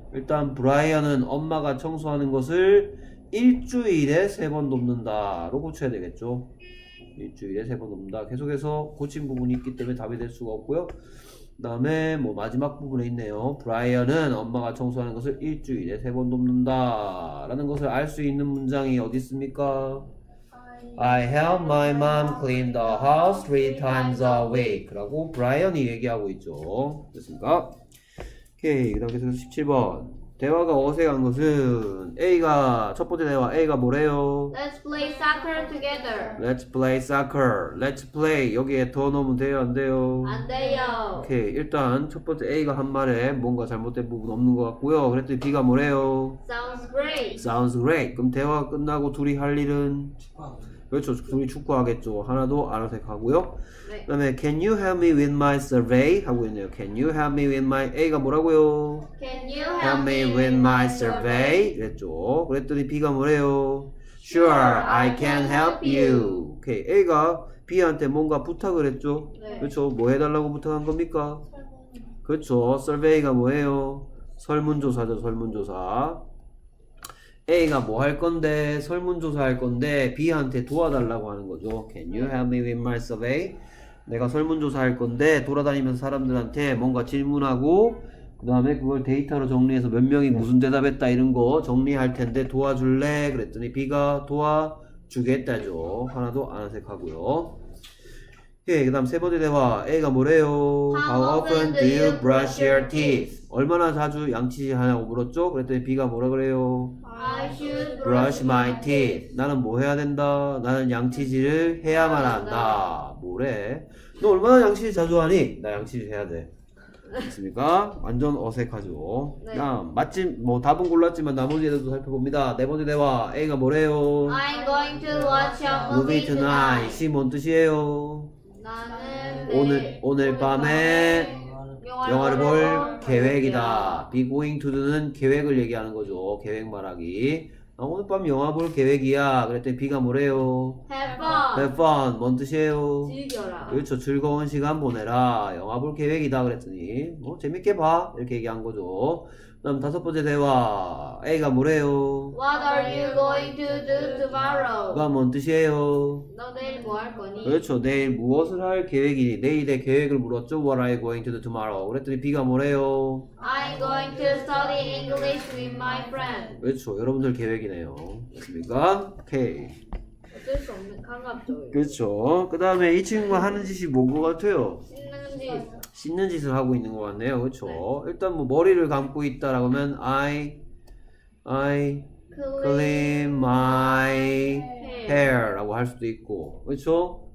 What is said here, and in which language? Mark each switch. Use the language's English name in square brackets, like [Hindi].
[Korean] 일단 브라이언은 엄마가 청소하는 것을 일주일에 세 번 돕는다로 고쳐야 되겠죠. 일주일에 세 번 돕는다. 계속해서 고친 부분이 있기 때문에 답이 될 수가 없고요. 그 다음에 뭐 마지막 부분에 있네요. 브라이언은 엄마가 청소하는 것을 일주일에 세 번 돕는다 라는 것을 알 수 있는 문장이 어디 있습니까? [English] I help my mom clean the house 3 times a week [Korean] 라고 브라이언이 얘기하고 있죠. 됐습니까? 오케이. 그 다음 계속해서 17번 대화가 어색한 것은 A가 첫 번째 대화 A가 뭐래요? [English] Let's play soccer together. Let's play soccer. Let's play. [Korean] 여기에 더 넣으면 돼요 안 돼요? 안 돼요. 오케이. 일단 첫 번째 A가 한 말에 뭔가 잘못된 부분 없는 것 같고요. 그랬더니 B가 뭐래요? [English] Sounds great. Sounds great. [Korean] 그럼 대화가 끝나고 둘이 할 일은? 그렇죠. 둘이 축구하겠죠. 하나도 알아서 가고요. 네. 그 다음에 [English] Can you help me with my survey? [Korean] 하고 있네요. [English] Can you help me with my [Korean] A가 뭐라고요? [English] Can you help me with my survey? [Korean] 그랬죠. 그랬더니 B가 뭐래요? [English] Sure, I can help you. Okay. [Korean] A가 B한테 뭔가 부탁을 했죠. 네. 그렇죠. 뭐 해달라고 부탁한 겁니까? 설문. 그렇죠. Survey가 뭐예요? 설문조사죠. 설문조사. A가 뭐 할 건데 설문조사 할 건데 B한테 도와달라고 하는 거죠. [English] Can you help me with my survey? [Korean] 내가 설문조사 할 건데 돌아다니면서 사람들한테 뭔가 질문하고 그 다음에 그걸 데이터로 정리해서 몇 명이 무슨 대답했다 이런 거 정리할 텐데 도와줄래? 그랬더니 B가 도와주겠다죠. 하나도 안 어색하고요. 예, 그 다음 세 번째 대화 A가 뭐래요? [English] How often do you brush your teeth? [Korean] 얼마나 자주 양치질하냐고 물었죠? 그랬더니 B가 뭐라 그래요? [English] I should brush my teeth. [Korean] 나는 뭐 해야 된다? 나는 양치질을 해야만 한다. 뭐래? 너 얼마나 양치질 자주 하니? 나 양치질 해야 돼. 됐습니까? 완전 어색하죠. 네. 그냥 마침 뭐 답은 골랐지만 나머지에도 살펴봅니다. 네 번째 대화 A가 뭐래요? [English] I'm going to watch a movie tonight. [Korean] 시 뭔 뜻이에요? 나는 오늘 밤에 영화를 볼 계획이다. [English] Be going to do [Korean] 는 계획을 얘기하는 거죠. 계획 말하기. 아, 오늘 밤 영화 볼 계획이야. 그랬더니 B가 뭐래요? [English] Have fun. [Korean] 뭔 뜻이에요? 즐겨라. 그렇죠. 즐거운 시간 보내라. 영화 볼 계획이다. 그랬더니 뭐 재밌게 봐. 이렇게 얘기한 거죠. 다음 다섯 번째 대화. A가 뭐래요? [English] What are you going to do tomorrow? [Korean] 그가 뭔 뜻이에요? 너 내일 뭐 할 거니? 그렇죠. 내일 무엇을 할 계획이니? 내일의 계획을 물었죠. [English] What are you going to do tomorrow? [Korean] 그랬더니 B가 뭐래요? [English] I'm going to study English with my friend. [Korean] 그렇죠. 여러분들 계획이네요. 됐습니까? 오케이. 어쩔 수 없는 강압적이에요. 그렇죠. 그 다음에 이 친구가 하는 짓이 뭔 것 같아요? 씻는 짓을 하고 있는 것 같네요. 그렇죠. 네. 일단 뭐 머리를 감고 있다라고 하면 I [English] clean my hair [Korean] 라고 할 수도 있고 그렇죠.